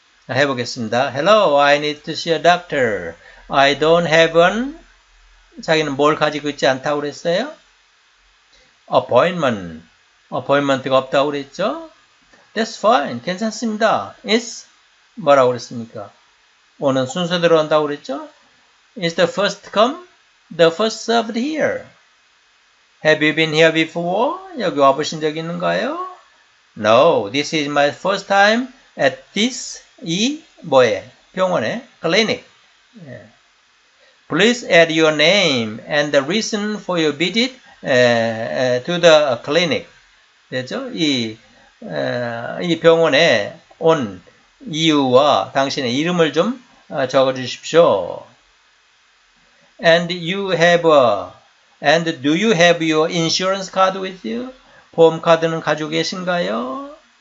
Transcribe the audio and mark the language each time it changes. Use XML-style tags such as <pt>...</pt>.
<ko>해보겠습니다.</ko> <en>Hello, I need to see a doctor. I don't have an...</en> <ko>자기는 뭘 가지고 있지 않다고 그랬어요?</ko> <en>Appointment.</en> <ko>Appointment가 없다고 그랬죠?</ko> <en>That's fine.</en> <ko>괜찮습니다.</ko> <en>It's...</en> <ko>뭐라고 그랬습니까? 오는 순서대로 온다고 그랬죠?</ko> <en>It's the first come, the first served here. Have you been here before?</en> <ko>여기 와보신 적 있는가요?</ko> <en>No, this is my first time at this</en> <ko>이 뭐에 병원에</ko> <en>clinic. Please add your name and the reason for your visit to the clinic.</en> <ko>됐죠? 이 병원에 온 이유와 당신의 이름을 좀 적어 주십시오.</ko> <en>And do you have your insurance card with you?</en> <ko>보험 카드는 가지고 계신가요?</ko>